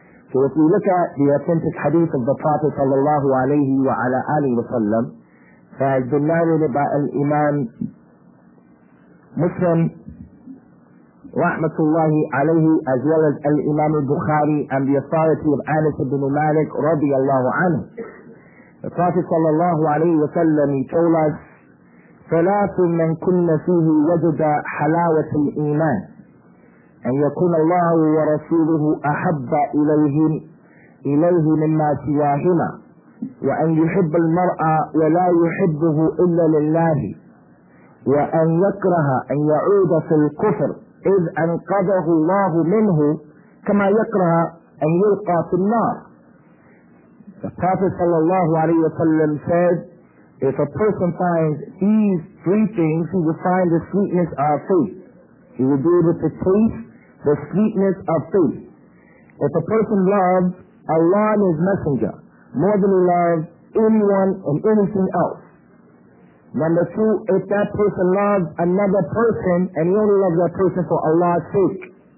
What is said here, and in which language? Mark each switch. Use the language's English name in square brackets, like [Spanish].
[English] So if we look at the authentic hadith of the Prophet sallallahu alayhi wa ala alihi wa sallam, that has been narrated by al-Imam Muslim rahmatullahi alayhi, as well as al-Imam al-Bukhari and the authority of Anas ibn Malik radiallahu anhu. The Prophet sallallahu alayhi wa sallam, he told us, [Arabic] ثَلَاثٌ مَنْ كُنَّ فِيهِ وَجُدَ حَلَاوَةِ الْإِيمَانِ أَنْ يَكُنَ اللَّهُ وَرَسُولُهُ أَحَبَّ إِلَيْهِ مِمَّا سِوَاهِمَا وَأَنْ يُحِبَّ الْمَرْأَى وَلَا يُحِبُّهُ إِلَّا لِلَّهِ وَأَنْ يَكْرَهَ أَنْ يَعُودَ فِي الْكُفْرِ إِذْ أَنْقَذَهُ اللَّهُ مِنْهُ كَمَا يَكْرَهَ أَنْ يُلْقَى فِي النَّارِ. [English] The Prophet sallallahu alayhi wa sallam said, if a person finds these three things, he will find the sweetness of faith. He will be able to taste the sweetness of faith. If a person loves Allah and His Messenger more than he loves anyone and anything else. Number two, if that person loves another person, and he only loves that person for Allah's sake.